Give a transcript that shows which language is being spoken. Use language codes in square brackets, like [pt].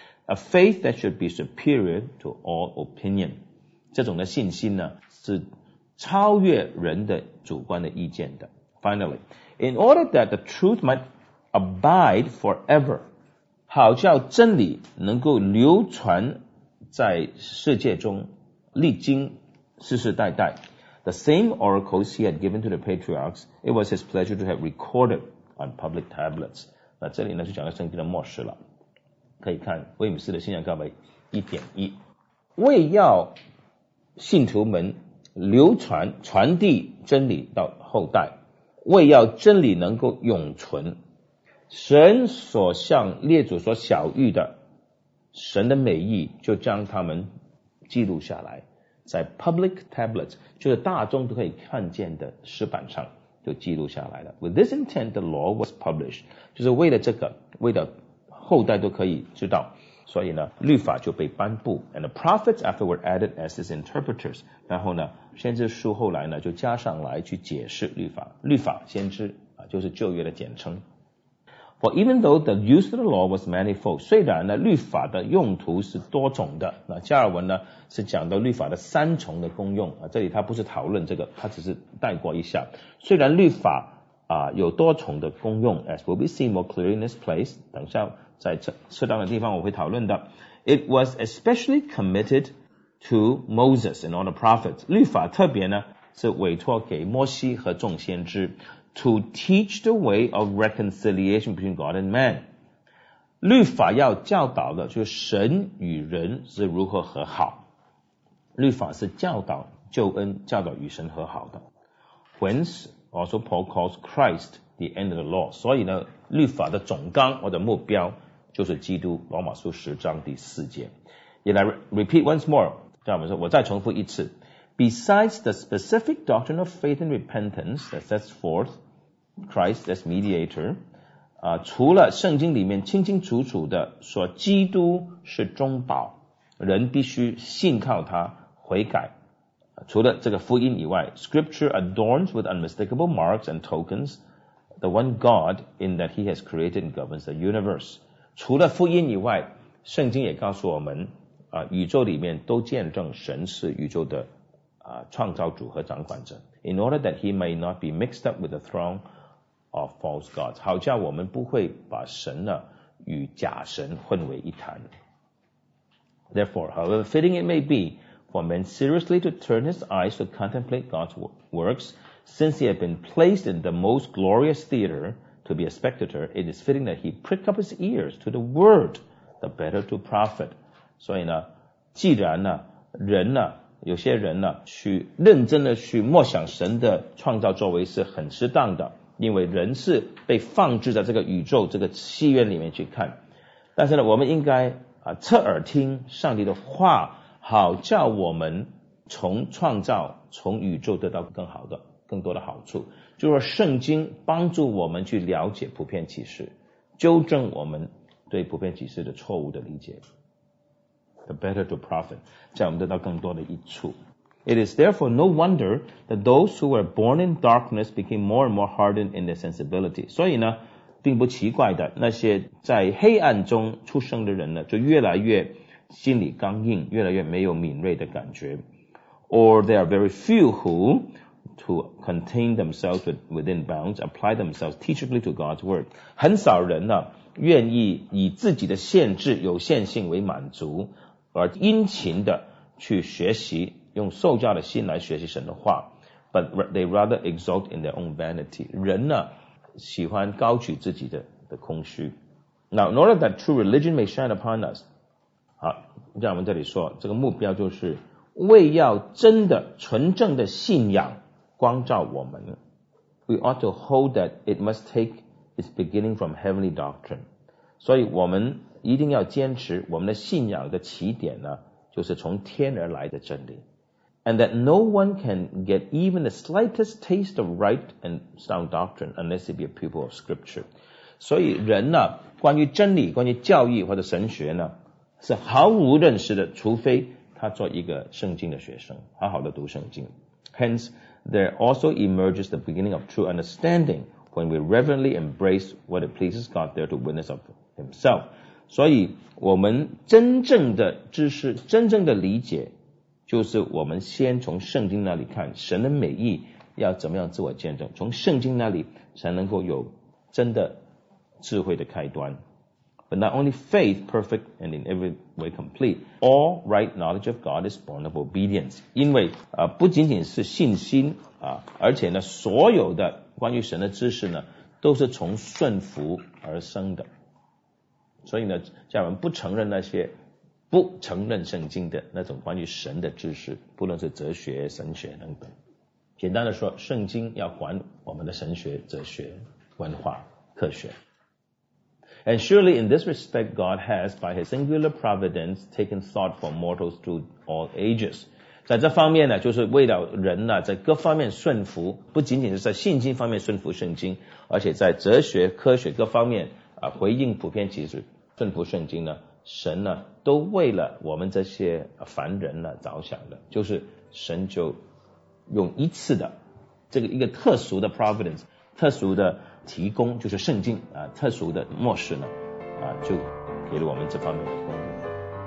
[en] A faith that should be superior to all opinion. [zh] 这种的信心呢，是超越人的主观的意见的。 [en] Finally, in order that the truth might abide forever, [zh] 好叫真理能够流传在世界中，历经世世代代。 [en] The same oracles he had given to the patriarchs, it was his pleasure to have recorded on public tablets. [zh] 那这里呢就讲到圣经的末世了。可以看威姆斯的信仰告白 1.1 为要信徒们流传传递真理到后代为要真理能够永存神所向列祖所晓谕的神的美意就将他们记录下来在 [en] public tablets, [zh] 就是大众都可以看见的石板上就记录下来了。 [en] With this intent, the law was published. [zh] 就是为了这个为了后代都可以知道。所以呢律法就被颁布。 [en] And the prophets afterward added as his interpreters. [zh] 然后呢先知书后来呢就加上来去解释律法。律法先知、就是旧约的简称。 [en] For even though the use of the law was manifold, [zh] 虽然呢律法的用途是多种的那加尔文呢是讲到律法的三重的功用、这里他不是讨论这个他只是带过一下。虽然律法、有多重的功用 [en] as will be seen more clearly in this place, [zh] 等下在适当的地方我会讨论的。 [en] It was especially committed to Moses and all the prophets. [zh] 律法特别呢是委托给摩西和众先知。 [en] To teach the way of reconciliation between God and man. [zh] 律法要教导的就是神与人是如何和好。律法是教导救恩教导与神和好的。 [en] Whence also Paul calls Christ the end of the law. [zh] 所以呢律法的总纲或者目标就是基督罗马书十章第四节。 [en] Yet I repeat once more, [zh] 我再重复一次。 [en] besides the specific doctrine of faith and repentance that sets forth Christ as mediator, [zh] 除了圣经里面清清楚楚的说基督是中保，人必须信靠他悔改，除了这个福音以外， [en] Scripture adorns with unmistakable marks and tokens the one God in that he has created and governs the universe. [zh] 除了福音以外，圣经也告诉我们、宇宙里面都见证神是宇宙的、创造主和掌管者。 [en] In order that he may not be mixed up with the throngof false gods, [zh] 好像我们不会把神呢与假神混为一谈。 [en] Therefore, however fitting it may be for man seriously to turn his eyes to contemplate God's works, since he had been placed in the most glorious theater to be a spectator, it is fitting that he prick up his ears to the word, the better to profit. [zh] 所以呢，既然呢，人呢，有些人呢，去认真的去默想神的创造作为是很适当的，因为人是被放置在这个宇宙这个戏院里面去看，但是呢，我们应该、侧耳听上帝的话，好叫我们从创造从宇宙得到更好的更多的好处，就是说圣经帮助我们去了解普遍启示，纠正我们对普遍启示的错误的理解。 [en] The better to profit, [zh] 叫我们得到更多的益处。 [en] It is therefore no wonder that those who were born in darkness became more and more hardened in their sensibility. [zh] 所以呢，并不奇怪的，那些在黑暗中出生的人呢，就越来越心里刚硬，越来越没有敏锐的感觉。 [en] Or there are very few who, to contain themselves within bounds, apply themselves teachably to God's word. [zh] 很少人呢，愿意以自己的限制有限性为满足，而殷勤的去学习，用受教的心来学习神的话。 [en] But they rather exult in their own vanity. [zh] 人呢喜欢高举自己 的空虚。 [en] Now in order that true religion may shine upon us, [zh] 好，让我们这里说这个目标，就是为要真的纯正的信仰光照我们， [en] We ought to hold that it must take its beginning from heavenly doctrine. [zh] 所以我们一定要坚持我们的信仰的起点呢，就是从天而来的真理。 [en] And that no one can get even the slightest taste of right and sound doctrine unless he be a pupil of scripture. [zh] 所以人呢，关于真理，关于教义或者神学呢，是毫无认识的，除非他做一个圣经的学生，好好的读圣经。 [en] Hence, there also emerges the beginning of true understanding when we reverently embrace what it pleases God there to witness of himself. [zh] 所以我们真正的知识，真正的理解，就是我们先从圣经那里看神的美意，要怎么样自我见证，从圣经那里才能够有真的智慧的开端。 [en] But not only faith perfect and in every way complete, all right knowledge of God is born of obedience. [zh] 因为、不仅仅是信心、而且呢，所有的关于神的知识呢，都是从顺服而生的。所以呢，家人们不承认那些不承认圣经的那种关于神的知识，不论是哲学神学等等。简单的说，圣经要管我们的神学哲学文化科学。 [en] And surely in this respect God has by his singular providence taken thought for mortals through all ages. [zh] 在这方面呢，就是为了人呢在各方面顺服，不仅仅是在信心方面顺服圣经，而且在哲学科学各方面、回应普遍启示顺服圣经呢，神呢都为了我们这些凡人呢着想的，就是神就用一次的这个一个特殊的 providence, 特殊的提供，就是圣经、特殊的默示呢、就给了我们这方面的功能。